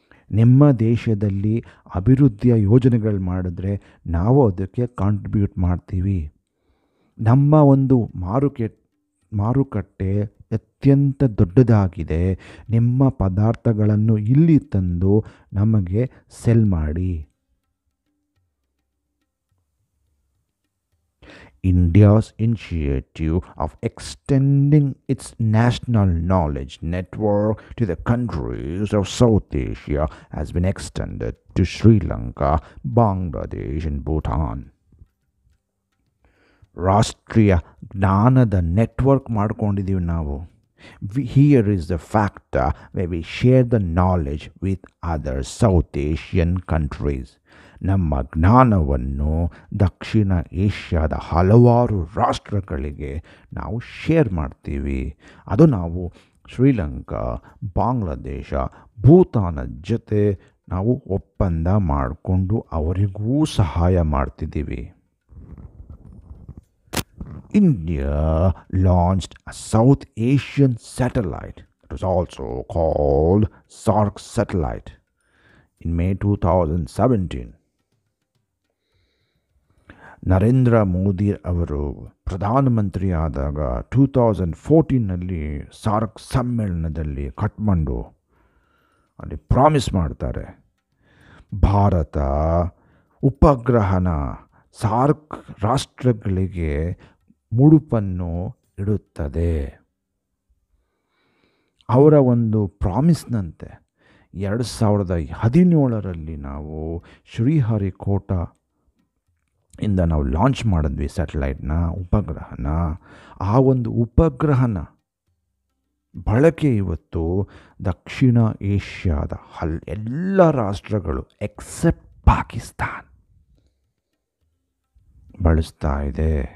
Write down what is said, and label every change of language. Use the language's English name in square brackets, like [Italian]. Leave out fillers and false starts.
[Kannada] ನಿಮ್ಮ ದೇಶದಲ್ಲಿ ಅಭಿವೃದ್ಧಿಯ ಯೋಜನೆಗಳು ಮಾಡಿದ್ರೆ ನಾವು ಅದಕ್ಕೆ ಕಾಂಟ್ರಿಬ್ಯೂಟ್ ಮಾಡ್ತೀವಿ. ನಮ್ಮ ಒಂದು ಮಾರುಕಟ್ಟೆ ಅತ್ಯಂತ ದೊಡ್ಡದಾಗಿದೆ, ನಿಮ್ಮ ಪದಾರ್ಥಗಳನ್ನು ಇಲ್ಲಿ ತಂದು ನಮಗೆ ಸೆಲ್ ಮಾಡಿ. [English] India's initiative of extending its national knowledge network to the countries of South Asia has been extended to Sri Lanka, Bangladesh, and Bhutan. [Kannada] Rashtriya Gnanada network maadkondidivi naavu. [English] Here is the factor where we share the knowledge with other South Asian countries. [Kannada] ನಮ್ಮ ಜ್ಞಾನವನ್ನು ದಕ್ಷಿಣ ಏಷ್ಯಾದ ಹಲವಾರು ರಾಷ್ಟ್ರಗಳಿಗೆ ನಾವು share ಮಾಡ್ತೀವಿ. ಅದು ನಾವು ಶ್ರೀಲಂಕಾ, ಬಾಂಗ್ಲಾದೇಶ, ಭೂತಾನ ಜೊತೆ ನಾವು ಒಪ್ಪಂದ ಮಾಡಿಕೊಂಡು ಅವರಿಗೂ ಸಹಾಯ ಮಾಡ್ತಿದ್ದೀವಿ. [English] India launched a South Asian satellite, it was also called SAARC satellite in May 2017. [Kannada] Narendra Modi avaru pradhan mantri aadaga 2014 alli SAARC sammelanadalli Kathmandu alli promise martare Bharata upagrahana SAARC rashtragalige mudupannu iduttade avara ondu promise nante 2017 ನಾವು ಶ್ರೀಹರಿಕೋಟಿಂದ ನಾವು launch ಮಾಡಿದ್ವಿ ಸ್ಯಾಟಲೈಟ್ನ, ಉಪಗ್ರಹನ. ಆ ಒಂದು ಉಪಗ್ರಹನ ಬಳಕೆ ಇವತ್ತು ದಕ್ಷಿಣ ಏಷ್ಯಾದ ಎಲ್ಲ ರಾಷ್ಟ್ರಗಳು ಎಕ್ಸೆಪ್ಟ್ ಪಾಕಿಸ್ತಾನ್ ಬಳಸ್ತಾ ಇದೆ.